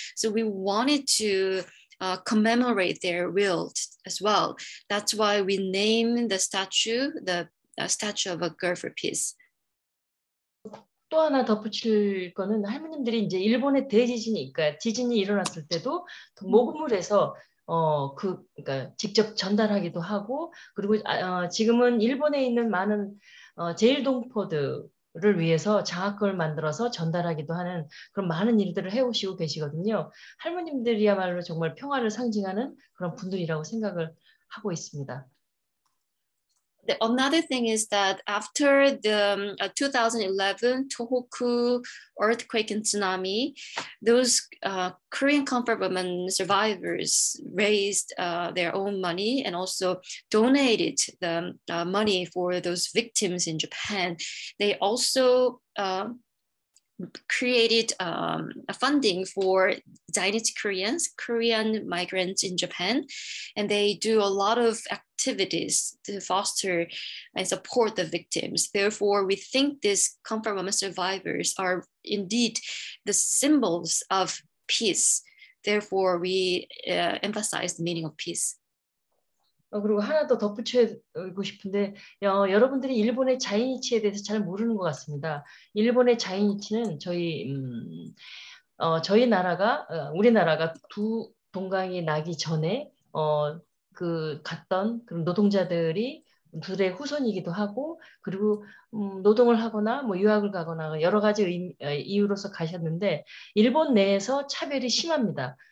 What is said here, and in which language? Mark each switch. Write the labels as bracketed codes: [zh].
[en] So we wanted to commemorate their will as well. That's why we name the statue of a girl for peace. [ko] 또 하나 덧붙일 거는 할머님들이 이제 일본의 대지진이 그러니까 지진이 일어났을 때도 모금을 해서 그러니까 직접 전달하기도 하고 그리고 지금은 일본에 있는 많은 제일 동포들을 위해서 장학금을 만들어서 전달하기도 하는 그런 많은 일들을 해오시고 계시거든요. 할머님들이야말로 정말 평화를 상징하는 그런 분들이라고 생각을 하고 있습니다. [en] The, another thing is that after the 2011 Tohoku earthquake and tsunami, those Korean comfort women survivors raised their own money and also donated the money for those victims in Japan. They also created a funding for Zionist Koreans, Korean migrants in Japan, and they do a lot of activities to foster and support the victims. Therefore, we think these comfort women survivors are indeed the symbols of peace. Therefore, we emphasize the meaning of peace. [ko] 그리고 하나 더 덧붙이고 싶은데 여러분들이 일본의 자이니치에 대해서 잘 모르는 것 같습니다. 일본의 자이니치는 저희 나라가 우리나라가 두 동강이 나기 전에 그 갔던 그런 노동자들이 그들의 후손이기도 하고 그리고 노동을 하거나 뭐 유학을 가거나 여러 가지 이유로서 가셨는데 일본 내에서 차별이 심합니다.